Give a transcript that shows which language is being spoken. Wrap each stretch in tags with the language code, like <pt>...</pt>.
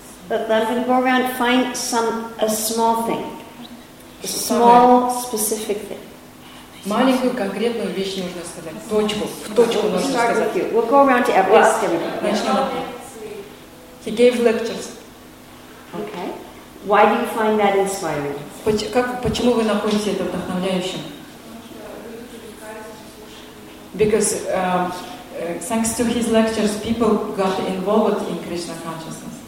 <en>I'm going to go around and find a small thing. A small, specific thing.</en> <ru>Маленькую конкретную вещь нужно сказать. В точку нужно сказать.</ru> <en>We'll go around to everyone. Ask him. He gave lectures. Okay. Why do you find that inspiring?</en> <ru>Почему вы находите это вдохновляющим?</ru> <en>Because thanks to his lectures, people got involved in Krishna consciousness.</en>